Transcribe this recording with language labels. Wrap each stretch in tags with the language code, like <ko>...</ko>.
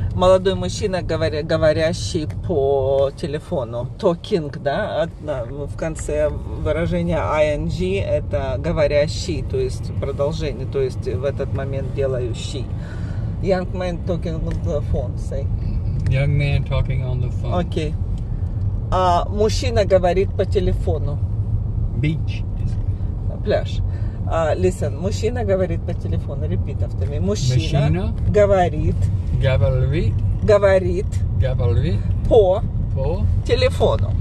<ru>Молодой мужчина, говорящий по телефону.</ru> <en>Talking, да?</en> <ru>В конце выражения ing это говорящий, то есть продолжение, то есть в этот момент делающий.</ru> <en>Young man talking on the phone. Say. Young man talking on the phone. Okay.</en> <ru>Мужчина говорит по телефону.</ru> <en>Beach.</en> <ru>Пляж. Listen, мужчина говорит по телефону.</ru> <en>Repeat after me. Мужчина говорит.</en> <ru>Говорит. По телефону.</ru>